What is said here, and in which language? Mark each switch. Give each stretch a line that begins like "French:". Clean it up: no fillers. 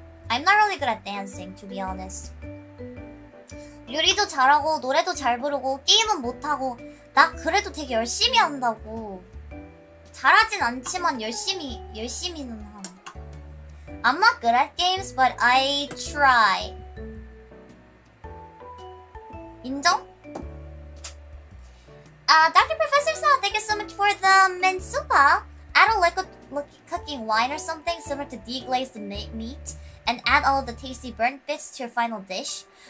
English: I'm not really good at dancing, to be honest.
Korean: 요리도 잘하고 노래도 잘 부르고 게임은 못하고 나 그래도 되게 열심히 한다고. 잘하진 않지만 열심히는 하고.
English: I'm not good at games, but I try.
Korean: 인정?
English: Dr. Professor Sao, thank you so much for the mensupa. Add a liquid cooking wine or something similar to deglazed meat and add all the tasty burnt bits to your final dish.